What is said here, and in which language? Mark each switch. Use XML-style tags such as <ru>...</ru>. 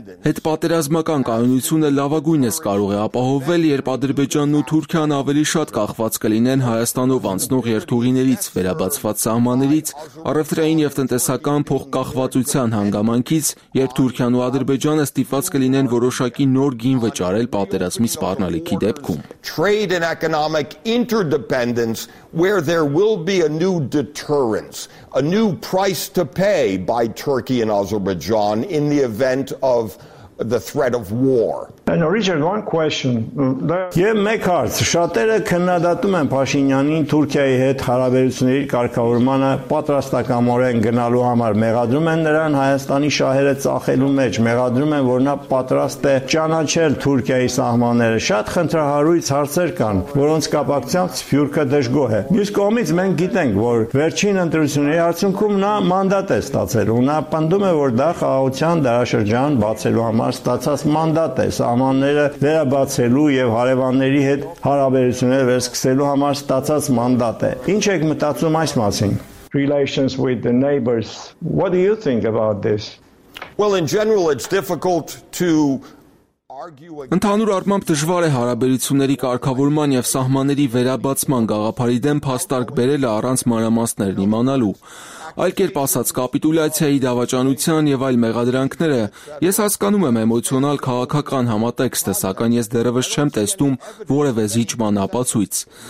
<hy>Այդ պատերազմական կայունությունը լավագույն է կարող է ապահովվել, երբ Ադրբեջանն ու Թուրքիան ավելի շատ կախված կլինեն Հայաստանով անցնող երթուղիներից, վերաբացված սահմաններից, առևտրային եւ տնտեսական փոխկախվածության հանգամանքից, երբ Թուրքիան ու Ադրբեջանը ստիպված կլինեն որոշակի նոր գին վճարել պատերազմի սպառնալիքի դեպքում։</hy> <en>Trade and economic interdependence where there will be a new deterrence, a new price to pay by Turkey and Azerbaijan in the event of the threat of war. And Richard, one question.</en> <hy>Եմ մեկ հարց, շատերը քննադատում են Փաշինյանին Թուրքիայի հետ հարաբերությունների կարգավորմանը պատրաստակամորեն գնալու համար, մեղադրում են նրան Հայաստանի շահերը ծախելու մեջ, մեղադրում են, որ նա պատրաստ է ճանաչել Թուրքիայի սահմանները։ Շատ խնդրահարույց հարցեր կան, որոնց կապակցությամբ Սփյուռքը դժգոհ է։ Մյուս կողմից մենք գիտենք, որ վերջին ընտրությունների արդյունքում նա մանդատ է ստացել, ու նա պնդում է, որ դա խաղաղության դարաշրջան բացելու համար ստացած մանդատ է, սահմանները վերաբացելու եւ հարևանների հետ հարաբերությունները վերսկսելու համար ստացած մանդատ է։ Ինչ եք մտածում այս մասին?</hy> <en>Relations with the neighbors. What do you think about this? Well, in general, it's difficult to</en> <hy>Ընդհանուր առմամբ դժվար է հարաբերությունների կարգավորման եւ սահմանների վերաբացման գաղափարի դեմ փաստարկ բերելը առանց մանրամասներն իմանալու։ Այլ կերպ ասած, կապիտուլյացիայի դավաճանության եւ այլ մեղադրանքները, ես հասկանում եմ էմոցիոնալ քաղաքական համատեքստը, սակայն ես դեռևս չեմ տեսնում որևէ զիջման ապացույց։</hy>